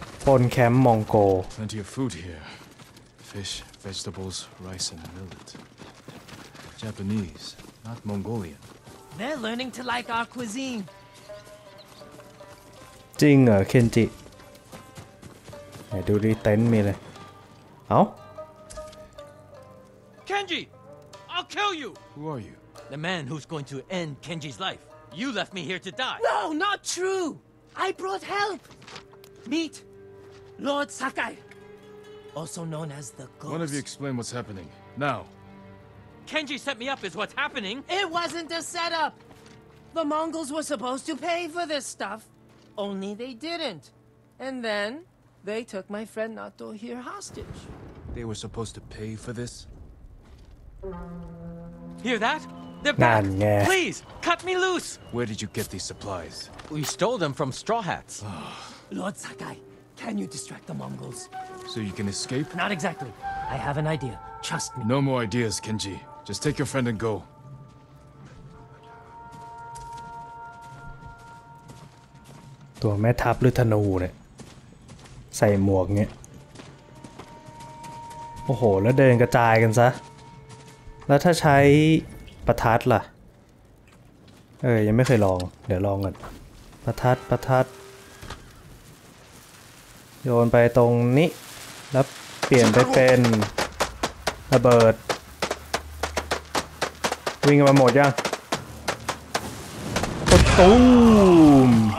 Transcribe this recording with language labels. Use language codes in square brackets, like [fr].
[th] ปนแคมป์มองโก [en] Plenty of food here. Fish, vegetables, rice and millet. Japanese, not Mongolian. They're learning to like our cuisine. [th] จริงเหรอเคนจิไหนดูดิเต็นท์มีเลยเอ้า [en] Kenji, I'll kill you. Who are you? The man who's going to end Kenji's life. You left me here to die. No, not true. I brought help. Meat. Lord Sakai, also known as the Ghost. One of you explain what's happening, now. Kenji set me up is what's happening. It wasn't a setup. The Mongols were supposed to pay for this stuff, only they didn't. And then they took my friend Nato here hostage. They were supposed to pay for this? Hear that? They're back. Nah. Please, cut me loose. Where did you get these supplies? We stole them from Straw Hats. Lord Sakai. Can you distract the Mongols? So you can escape? Not exactly. I have an idea. Trust me. No more ideas, Kenji. Just take your friend and go. [th] ตัวแม่ทัพหรือธนูเนี่ยใส่หมวกเนี่ยโอ้โหแล้วเดินกระจายกันซะแล้วถ้าใช้ประทัดล่ะเออยังไม่เคยลองเดี๋ยวลองก่อนประทัดโยนไปตรงนี้แล้วเปลี่ยนไปเป็นระเบิดวิ่งกันมาหมดยังตุ้ม